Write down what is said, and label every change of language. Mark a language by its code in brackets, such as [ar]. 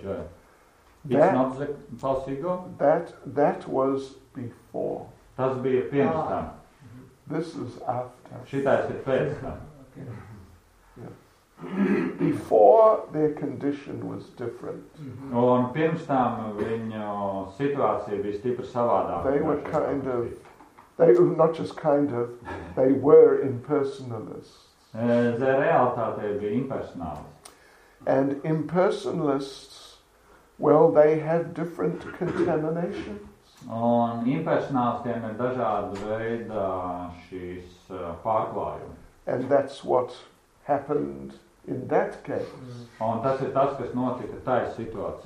[en] That, it's not the false ego? That was before. [lv] Tas bija pirms tam. [en] This is after. [lv] Šitais ir pēc tam. [en] Yes. Before their condition was different. [lv] Un pirms tām viņu situācija bija stipri savādāka. [en] They were impersonalists. [lv] Tā realitāte bija impersonāla. [en] And impersonalists, well, they have different contaminations. [lv] Un impersonālistiem ir dažāda veida šīs pārklājumi. [en] And that's what happened in that case. [lv] Un tas ir tas, kas notika tajā situācijā.